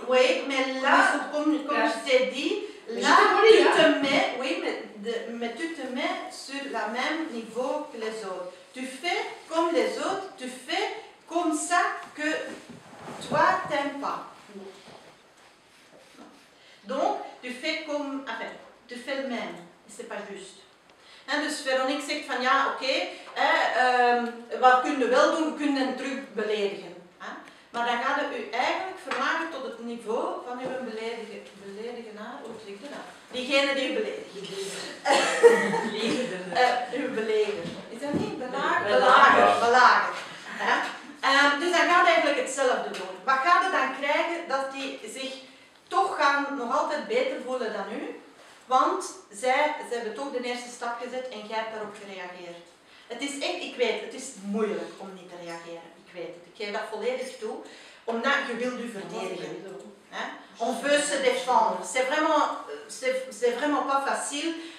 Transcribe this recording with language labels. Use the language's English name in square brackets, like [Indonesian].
[French] Oui, mais là, comme je t'ai dit, là, tu te mets, oui, mais tu te mets sur le même niveau que les autres. Tu fais comme les autres, tu fais. Comme ça que toi t'aimes pas. Donc tu fais comme, enfin, tu fais le même. C'est pas juste. [Dutch] Hein, dus Véronique zegt van ja, oké, okay, wat kunnen wel doen, we kunnen een truc beledigen. Hein? Maar dan gaat het u eigenlijk verlagen tot het niveau van uw beledigenaar. Hoe zeg je dat? Diegene die u beledigt. Uw beleger. Is dat niet belager? Belager. Dus dan gaat eigenlijk hetzelfde doen. Wat gaat het dan krijgen? Dat die zich toch gaan nog altijd beter voelen dan u. Want ze hebben toch de eerste stap gezet en jij hebt daarop gereageerd. Het is echt, ik weet, het is moeilijk om niet te reageren. Ik weet het. Ik geef dat volledig toe. Omdat je wilt u verdedigen. [French] On veut se défendre. C'est vraiment pas facile